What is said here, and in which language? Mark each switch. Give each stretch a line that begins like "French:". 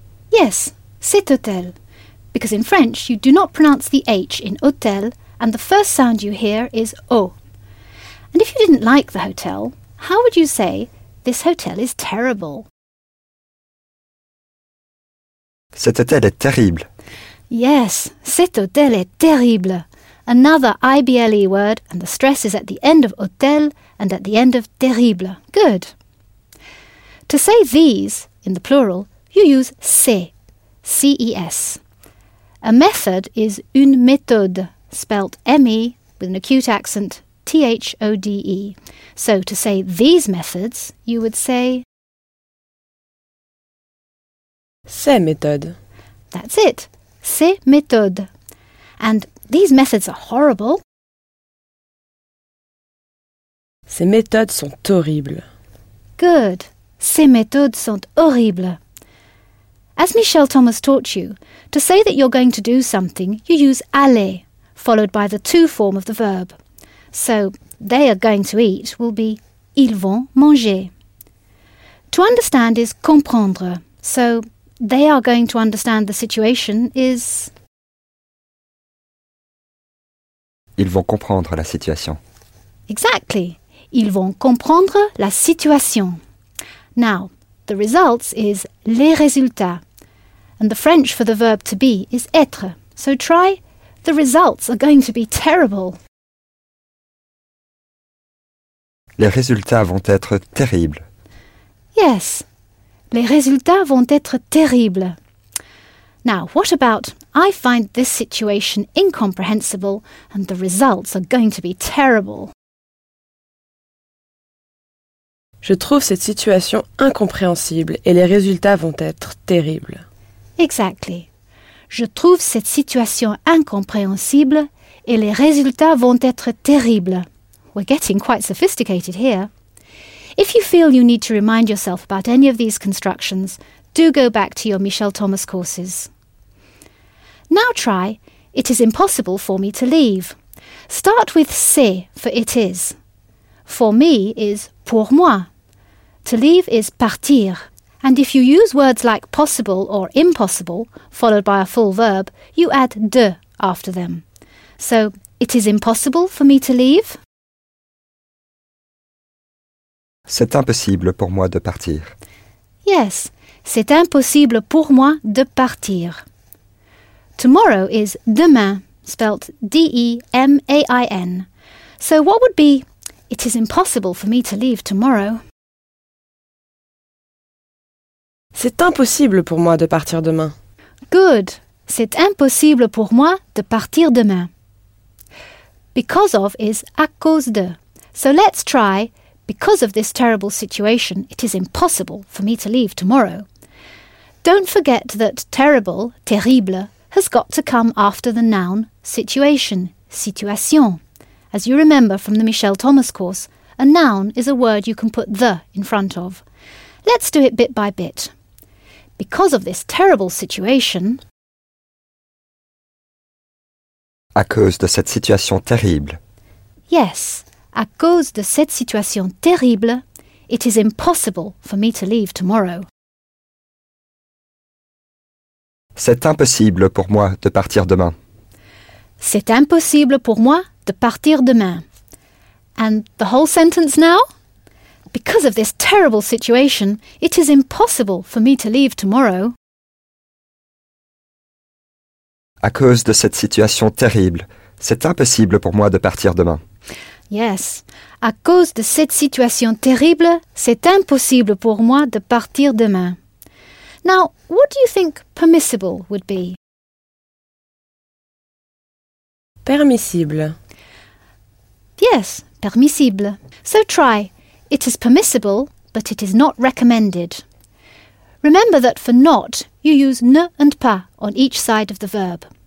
English: Yes,
French: cet hôtel.
English: Because in French, you do not pronounce the H in hôtel, and the first sound you hear is O. And if you didn't like the hotel, how would you say, this hotel is terrible?
French: Cet hôtel est terrible.
English: Yes,
French: cet hôtel est terrible.
English: Another IBLE word, and the stress is at the end of hôtel and at the end of terrible. Good. To say these, in the plural, you use ces, C-E-S. A method is une méthode, spelt M-E with an acute accent, T-H-O-D-E. So to say these methods, you would say
French: ces méthodes.
English: That's it,
French: ces méthodes.
English: And these methods are horrible.
French: Ces méthodes sont horribles.
English: Good.
French: Ces méthodes sont horribles.
English: As Michel Thomas taught you, to say that you're going to do something, you use aller, followed by the to form of the verb. So, they are going to eat will be
French: ils vont manger.
English: To understand is comprendre. So, they are going to understand the situation is
French: ils vont comprendre la situation.
English: Exactly.
French: Ils vont comprendre la situation.
English: Now, the results is les résultats, and the French for the verb to be is être. So try, the results are going to be terrible.
French: les résultats vont être terribles.
English: Yes,
French: les résultats vont être terribles.
English: Now, what about, I find this situation incomprehensible and the results are going to be terrible.
French: Je trouve cette situation incompréhensible et les résultats vont être terribles.
English: Exactly.
French: Je trouve cette situation incompréhensible et les résultats vont être terribles.
English: We're getting quite sophisticated here. If you feel you need to remind yourself about any of these constructions, do go back to your Michel Thomas courses. Now try, it is impossible for me to leave. Start with c'est for it is. For me is pour moi. To leave is partir. And if you use words like possible or impossible, followed by a full verb, you add de after them. So, it is impossible for me to leave.
French: C'est impossible pour moi de partir.
English: Yes,
French: c'est impossible pour moi de partir.
English: Tomorrow is demain, spelt D-E-M-A-I-N. So what would be, it is impossible for me to leave tomorrow.
French: C'est impossible pour moi de partir demain.
English: Good,
French: c'est impossible pour moi de partir demain.
English: Because of is à cause de. So let's try, because of this terrible situation, it is impossible for me to leave tomorrow. Don't forget that terrible, terrible, has got to come after the noun situation, situation. As you remember from the Michel Thomas course, a noun is a word you can put the in front of. Let's do it bit by bit. Because of this terrible situation...
French: À cause de cette situation terrible.
English: Yes,
French: à cause de cette situation terrible,
English: it is impossible for me to leave tomorrow.
French: C'est impossible pour moi de partir demain. C'est impossible pour moi de partir demain.
English: And the whole sentence now? Because of this terrible situation, it is impossible for me to leave tomorrow.
French: À cause de cette situation terrible, c'est impossible pour moi de partir demain.
English: Yes.
French: À cause de cette situation terrible, c'est impossible pour moi de partir demain.
English: Now, what do you think permissible would be? Permissible. Yes, permissible. So try. It is permissible, but it is not recommended. Remember that for not, you use ne and pas on each side of the verb.